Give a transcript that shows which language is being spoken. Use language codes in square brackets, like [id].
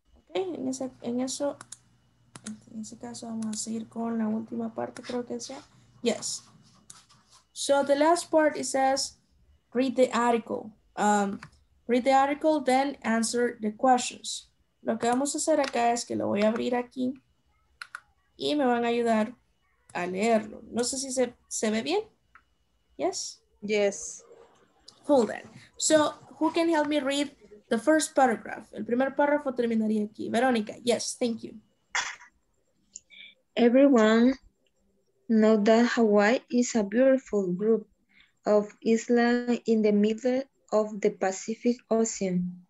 [es] Okay, en ese caso vamos a seguir con la última parte, creo que sea. [en] Yes. So the last part, it says, read the article. Read the article, then answer the questions. [es] Lo que vamos a hacer acá es que lo voy a abrir aquí y me van a ayudar a leerlo. No sé si se ve bien. Yes? [en] Yes. Hold on. So who can help me read the first paragraph? [es] El primer párrafo terminaría aquí. Verónica, [en] yes, thank you. Everyone knows that Hawaii is a beautiful group of islands in the middle of the Pacific Ocean.